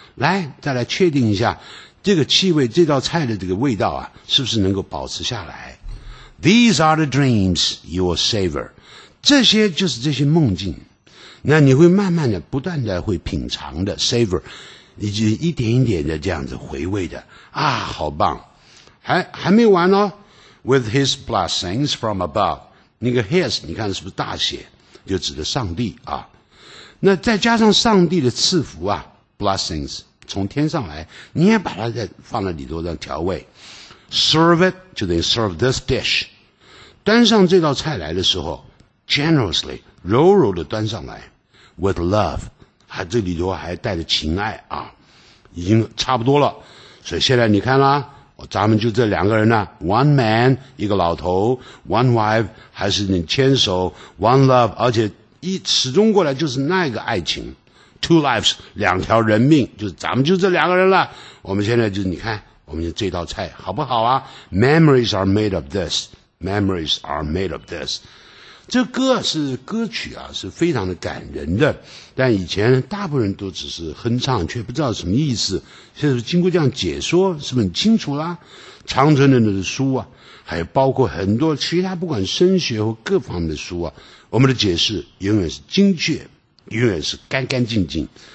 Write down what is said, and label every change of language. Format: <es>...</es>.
<zh>来，再来确定一下这个气味，这道菜的这个味道啊，是不是能够保持下来 ？</zh> <en>These are the dreams you will savor。</en> <zh>这些就是这些梦境，那你会慢慢的、不断的会品尝的 savor， 以及一点一点的这样子回味的啊，好棒！还没完哦</zh> <en>，With his blessings from above。</en> <zh>那个 his 你看是不是大写，就指的上帝啊，那再加上上帝的赐福啊 blessings 从天上来，你也把它再放在里头的调味。</zh> <en>serve it</en> <zh>就等于</zh> <en>serve this dish，</en> <zh>端上这道菜来的时候</zh> <en>generously</en> <zh>柔柔的端上来</zh> <en>with love，</en> <zh>还这里头还带着情爱啊，已经差不多了。所以现在你看啦，咱们就这两个人呢 ，</zh> <en>one man</en> <zh>一个老头 ，</zh> <en>one wife</en> <zh>还是你牵手 ，</zh> <en>one love，</en> <zh>而且一始终过来就是那个爱情 ，</zh> <en>two lives</en> <zh>两条人命，就是咱们就这两个人了。我们现在就你看，我们就这道菜好不好啊 ？</zh> <en>Memories are made of this，</en> <zh>memories are made of this，这歌是歌曲啊，是非常的感人的。但以前大部分人都只是哼唱，却不知道什么意思。现在经过这样解说，是不是很清楚啦？长城人的书啊，还包括很多其他不管声学或各方面的书啊，我们的解释永远是精确，永远是干干净净。</zh>